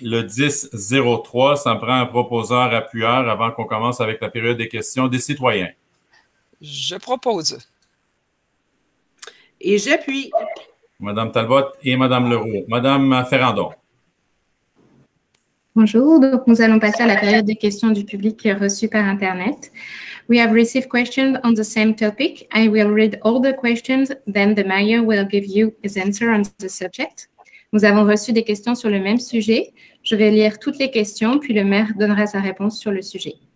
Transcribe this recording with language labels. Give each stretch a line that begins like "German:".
French: Le 10-03, ça me prend un proposeur appuyeur avant qu'on commence avec la période des questions des citoyens. Je propose. Et j'appuie. Madame Talbot et Madame Leroux. Madame Ferrandon. Bonjour. Donc, nous allons passer à la période des questions du public reçues par Internet.
English: We have received questions on the same topic. I will read all the questions, then the mayor will give you his answer on the subject.
French: Nous avons reçu des questions sur le même sujet. Je vais lire toutes les questions, puis le maire donnera sa réponse sur le sujet.